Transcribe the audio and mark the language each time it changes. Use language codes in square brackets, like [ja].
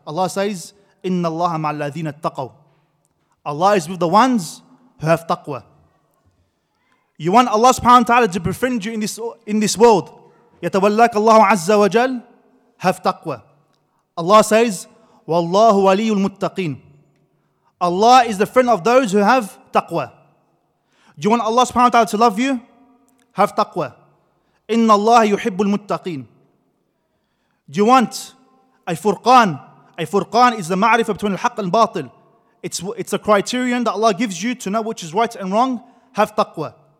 [en] Allah says, [ar] إِنَّ اللَّهَ مَعَ الَّذِينَ اتَّقَوْا. [en] Allah is with the ones who have taqwa. You want Allah subhanahu wa ta'ala to befriend you in this world, [ar] يَتَوَلَّاكَ اللَّهُ عَزَّ وَجَلْ, [en] have taqwa. Allah says, [ar] وَاللَّهُ وَلِيُّ الْمُتَّقِينَ. [en] Allah is the friend of those who have taqwa. Do you want Allah subhanahu wa ta'ala to love you? Have taqwa. [ar] Inna Allah yuhibbu al-muttaqeen. [en] Do you want a furqan? A furqan is the ma'rifa between al-haq and al-batil. It's a criterion that Allah gives you to know which is right and wrong. Have taqwa.